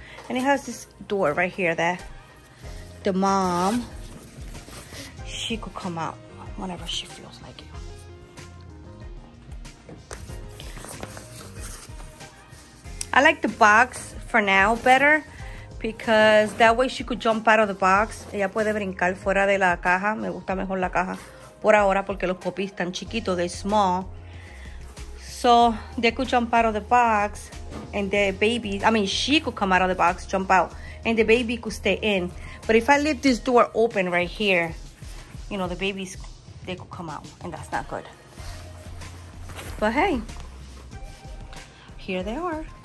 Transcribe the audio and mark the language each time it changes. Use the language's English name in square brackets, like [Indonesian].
[English] And it has this door right here that the mom, she could come out whenever she feels like it. I like the box for now better because that way she could jump out of the box. [Spanish] Ella puede brincar fuera de la caja. Me gusta mejor la caja por ahora porque los puppies están chiquitos, [English] they're small. So they could jump out of the box. And the baby, I mean, she could come out of the box, jump out, and the baby could stay in. But if I leave this door open right here, you know, the babies, they could come out, and that's not good. But hey, here they are.